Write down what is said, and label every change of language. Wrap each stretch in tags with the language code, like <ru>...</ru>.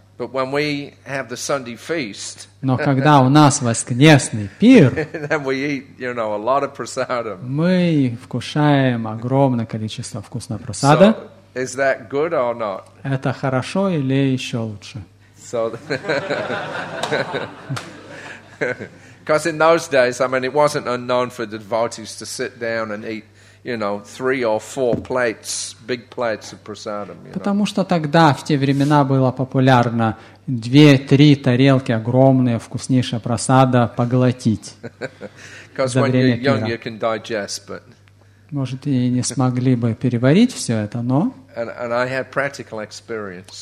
<en>But when we have the Sunday feast,</en> <ru>но когда у нас воскресный пир,</ru> <en>then we eat, you know, a lot of prasadam.</en> <ru>Мы вкушаем огромное количество вкусного просада.</ru> <en>So, is that good or not?</en> <ru>Это хорошо или еще лучше?</ru> <en>So, because in those days, I mean, it wasn't unknown for the devotees to sit down and eat, you know, three or four plates, big plates of prasadam.</en> <ru>Потому что тогда в те времена было популярно 2-3 тарелки огромные вкуснейшая просада поглотить за время пира.</ru> <en>Young, you can digest, but...</en> <ru>Может, и не смогли бы переварить все это, но.</ru> <en>And I had practical experience.</en>